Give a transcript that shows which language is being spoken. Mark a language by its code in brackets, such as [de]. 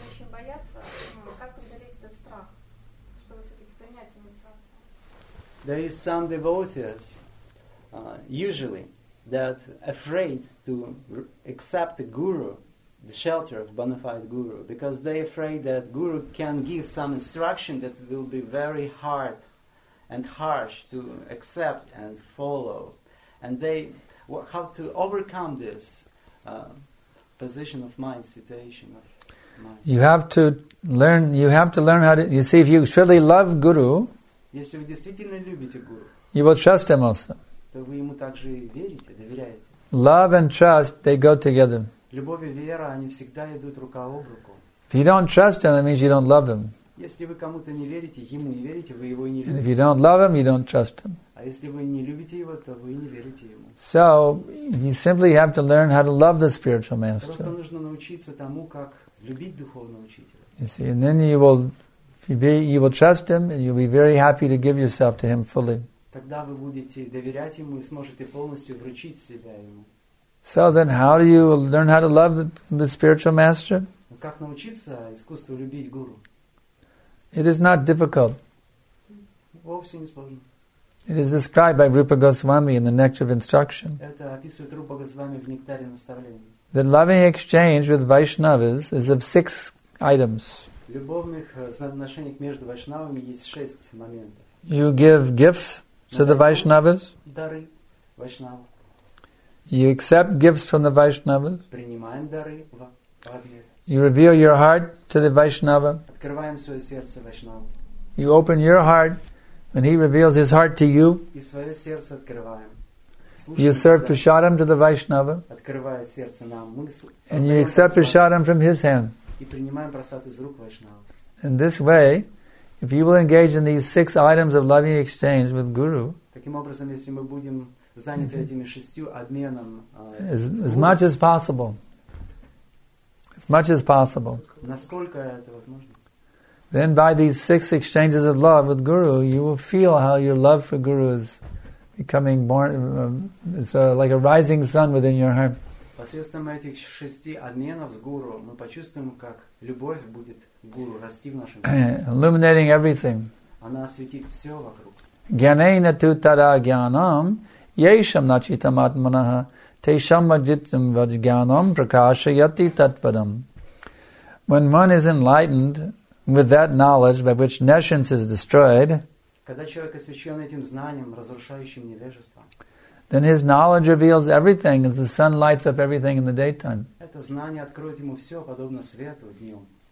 [ru] бояться, как преодолеть этот страх, чтобы все-таки принять инициацию? [en] There is some devotees, usually, that afraid to accept the guru, the shelter of bona fide guru, because they afraid that guru can give some instruction that will be very hard and harsh to accept and follow. And they how to overcome this position of mind, situation of mind. You have to learn how to, you see, if you truly love guru, [ru] если вы действительно любите гуру, [en] you will trust him also. [ru] То вы ему также верите, доверяете. [en] Love and trust, they go together. [ru] Любовь и вера, они всегда идут рука об руку. [en] If you don't trust him, that means you don't love him. [ru] Если вы кому-то не верите, ему не верите, вы его и не любите. [en] And if you don't love him, you don't trust him. [ru] А если вы не любите его, то вы и не верите ему. [en] So you simply have to learn how to love the spiritual master. [ru] Просто нужно научиться тому, как любить духовного учителя. [en] You see, and then you will trust him, and you'll be very happy to give yourself to him fully. [ru] Тогда вы будете доверять ему и сможете полностью вручить себя ему. [en] So then, how do you learn how to love the spiritual master? [ru] Как научиться искусству любить гуру? [en] It is not difficult. [ru] Вовсе не сложно. [en] It is described by Rupa Goswami in the Nectar of Instruction. [ru] Это описывает Рупа Госвами в Нектаре наставления. [en] The loving exchange with Vaishnavas is of six items. [ru] Любовных взаимоотношений между вайшнавами есть шесть моментов. [en] You give gifts to the Vaishnavas. [ru] Дары вайшнавам. [en] You accept gifts from the Vaishnavas. [ru] Принимаем дары в ответ. [en] You reveal your heart to the Vaishnava. [ru] Открываем свое сердце вайшнаву. [en] You open your heart when he reveals his heart to you. [ru] И свое сердце открываем. Слушаем, [en] you serve prasadam to the Vaishnava. [ru] Открывая сердце нам, мы [en] And you accept prasadam from his hand. [ru] И принимаем прасад из рук вайшнава. [en] In this way, if you will engage in these six items of loving exchange with Guru, [ru] таким образом, если мы будем заняты этими шестью обменом, [en] as much as possible. [ru] Насколько это возможно? [en] Then by these six exchanges of love with Guru, you will feel how your love for Guru is becoming born, it's like a rising sun within your heart. [ru] Посредством этих шести обменов с Гуру мы почувствуем, как любовь будет Гуру расти в нашем сердце. [en] Illuminating everything. [ru] Она осветит все вокруг. [sa] Gyanena tu tara gyanam yesham nachitam atmanah tesham majitam vajgyanam prakashayati tatvadam. [en] When one is enlightened with that knowledge by which nescience is destroyed, [ru] когда человек освящен этим знанием, разрушающим невежество, [en] then his knowledge reveals everything as the sun lights up everything in the daytime. [ru] Это знание откроет ему все, подобно свету днем.